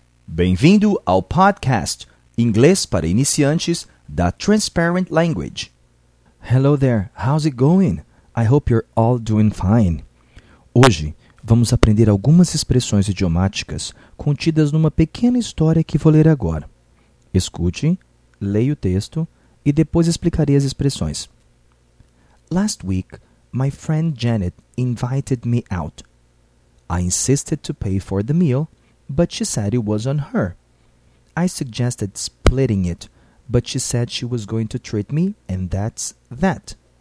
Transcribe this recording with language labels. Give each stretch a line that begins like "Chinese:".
Portuguese: Bem-vindo ao podcast Inglês para Iniciantes da Transparent Language.
English: Hello there, how's it going? I hope you're all doing fine.
Portuguese: Hoje, vamos aprender algumas expressões idiomáticas contidas numa pequena história que vou ler agora. Escute, leia o texto e depois explicarei as expressões.
English: Last week, my friend Janet invited me out. I insisted to pay for the meal, but she said it was on her. I suggested splitting it, but she said she was going to treat me, and that's that.